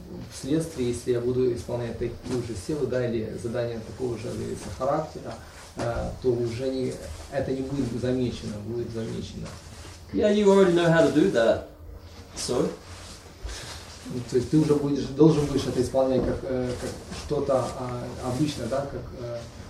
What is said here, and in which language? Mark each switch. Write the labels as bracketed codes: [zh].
[ru] Вследствие, если я буду исполнять такие же силы, да, или задания такого же характера, то уже не это не будет замечено, будет замечено. [en] Yeah, you already know how to do that. So? [ru] То есть ты уже должен будешь это исполнять как что-то обычное, да, как.